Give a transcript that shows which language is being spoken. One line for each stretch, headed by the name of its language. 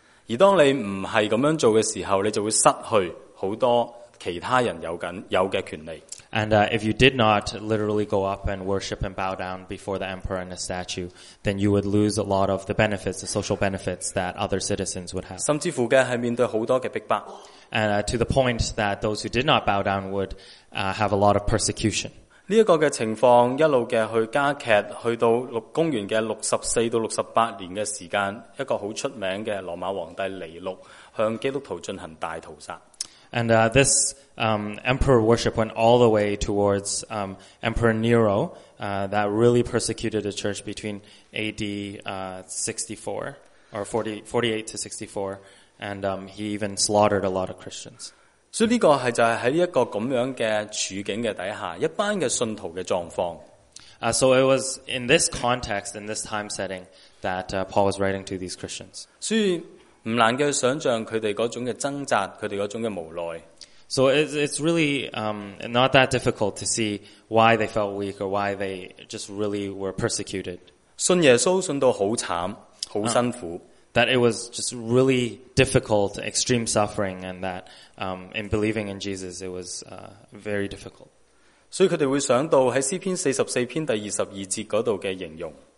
Chinese: 而当你不是这样做的时候，你就会失去很多其他人有的权利。
English: And if you did not literally go up and worship and bow down before the emperor and a statue, then you would lose a lot of the benefits, the social benefits that other citizens would have.
Chinese: 甚至乎是面对很多的逼迫。
English: And to the point that those who did not bow down would have a lot of persecution.
Chinese: 这个的情况一路的去加剧，去到公元的64到68年的时间，一个很出名的罗马皇帝尼禄向基督徒进行大屠杀。
English: And this emperor worship went all the way towards Emperor Nero that really persecuted the church between AD 64 or 48 to 64. And he even slaughtered a lot of Christians.
Chinese: 所以这个是就是在这个这样的处境的底下，一班的信徒的状况。
English: So it was in this context, in this time setting, that Paul was writing to these Christians.
Chinese: 所以不难的想象他们那种的挣扎，他们那种的无奈。
English: So it's really not that difficult to see why they felt weak or why they just really were persecuted.
Chinese: 信耶稣信到好惨，好辛苦。
English: That it was just really difficult, extreme suffering, and that in believing in Jesus, it was very difficult.
Chinese: 所以他们会想到在诗篇42章22节那里的形容。